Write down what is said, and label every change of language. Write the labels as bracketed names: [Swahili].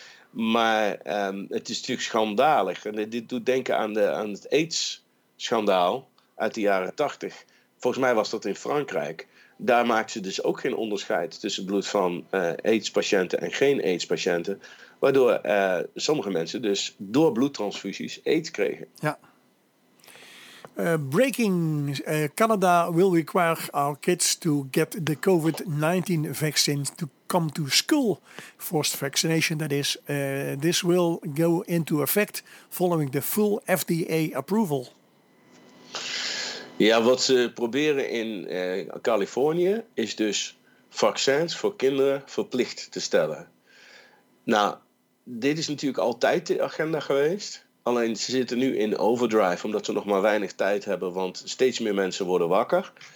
[Dutch] Maar het is natuurlijk schandalig. En dit doet denken aan het AIDS-schandaal. Uit de jaren 80. Volgens mij was dat in Frankrijk. Daar maakten ze dus ook geen onderscheid tussen bloed van AIDS-patiënten en geen AIDS-patiënten. Waardoor sommige mensen dus door bloedtransfusies AIDS kregen. Ja. Breaking. [English] Canada will require our kids to get the COVID-19 vaccine to come to school. Forced vaccination, that is. This will go into effect following the full FDA approval. [Dutch] Ja, wat ze proberen in Californië is dus vaccins voor kinderen verplicht te stellen. Nou, dit is natuurlijk altijd de agenda geweest. Alleen ze zitten nu in overdrive omdat ze nog maar weinig tijd hebben, want steeds meer mensen worden wakker.